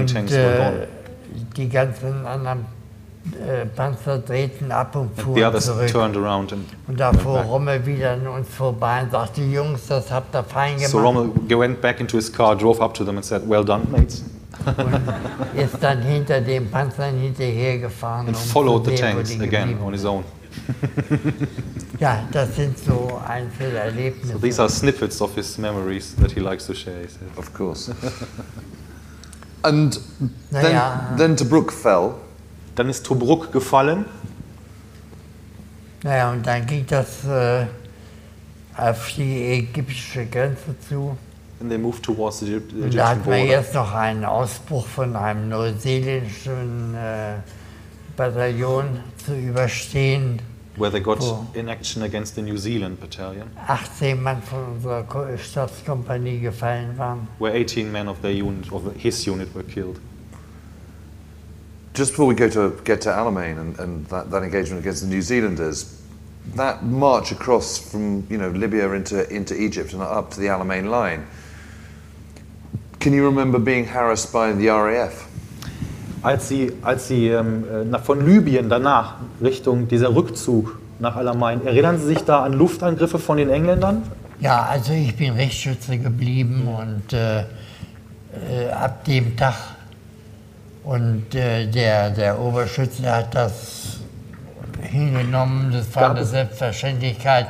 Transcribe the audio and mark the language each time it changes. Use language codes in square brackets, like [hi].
[de] und, [en] tanks were gone. [de] Die ganzen anderen Panzer drehten ab und fuhren [en] the others [de] zurück. [en] Turned around and [de] und da fuhr Rommel wieder an uns vorbei und sagte, Jungs, das habt ihr fein gemacht. [en] So Rommel went back into his car, drove up to them and said, well done, mates. [de] Und ist dann hinter den Panzern hinterhergefahren [en] and followed the tanks again on his own. [de] Ja, das sind so einzelne Erlebnisse. [en] So these are snippets of his memories that he likes to share, he says. Of course. And then Tobruk fell. [de] Dann ist Tobruk gefallen. Naja, und dann ging das auf die ägyptische Grenze zu. [en] And they moved towards the Egyptian border. [de] Da hatten wir jetzt noch einen Ausbruch von einem neuseeländischen Bataillon zu überstehen. [en] Where they got in action against the New Zealand battalion. [de] 18 Mann von unserer Stabskompanie gefallen waren. [en] Where 18 men of their unit, of his unit, were killed. Just before we get to Alamein and that engagement against the New Zealanders, that march across from Libya into Egypt and up to the Alamein line, can you remember being harassed by the RAF? [de] Als sie von Libyen danach Richtung dieser Rückzug nach Alamein, erinnern Sie sich da an Luftangriffe von den Engländern? Ja, also ich bin Richtschütze geblieben und ab dem Tag. Und der Oberschütze hat das hingenommen, das war eine Selbstverständlichkeit.